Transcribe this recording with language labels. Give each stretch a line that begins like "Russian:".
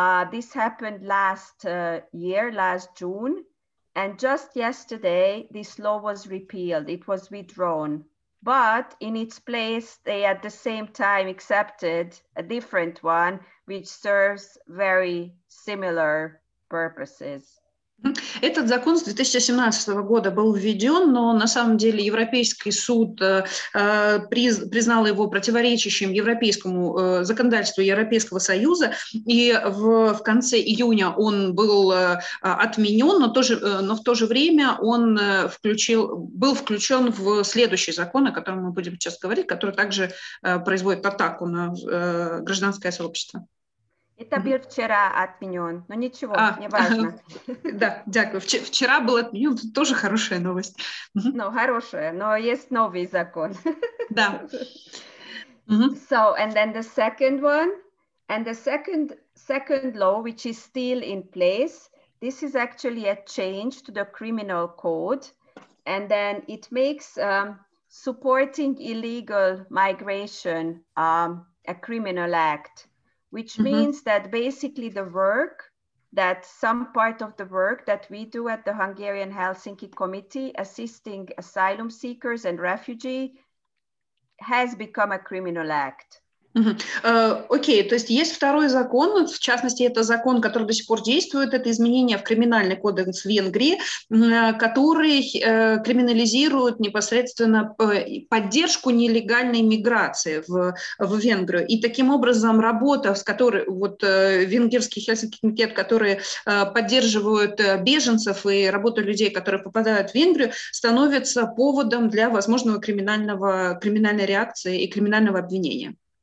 English: This happened last June, and just yesterday this law was repealed, it was withdrawn, but in its place they at the same time accepted a different one which serves very similar purposes.
Russian: Этот закон с 2017 года был введен, но на самом деле Европейский суд признал его противоречащим европейскому законодательству Европейского Союза, и в конце июня он был отменен, но в то же время он был включен в следующий закон, о котором мы будем сейчас говорить, который также производит атаку на гражданское сообщество. Это был вчера отменен, но ничего, не важно.
Ukrainian: Да, дякую.
Russian: Вчера был отменен, тоже хорошая новость. Ну, хорошая, но есть новый закон. Да.
English: So, and then the second one, and the second law, which is still in place, this is actually a change to the criminal code, and then it makes supporting illegal migration a criminal act. Which means that basically the work, that some part of the work that we do at the Hungarian Helsinki Committee, assisting asylum seekers and refugees, has become a criminal act.
Russian: Окей, то есть есть второй закон, в частности, это закон, который до сих пор действует, это изменения в криминальный кодекс Венгрии, который криминализирует непосредственно поддержку нелегальной миграции в Венгрию. И таким образом работа, с которой вот венгерский Хельсинкский комитет, которые поддерживают беженцев и работу людей, которые попадают в Венгрию, становится поводом для возможного криминальной реакции и криминального обвинения.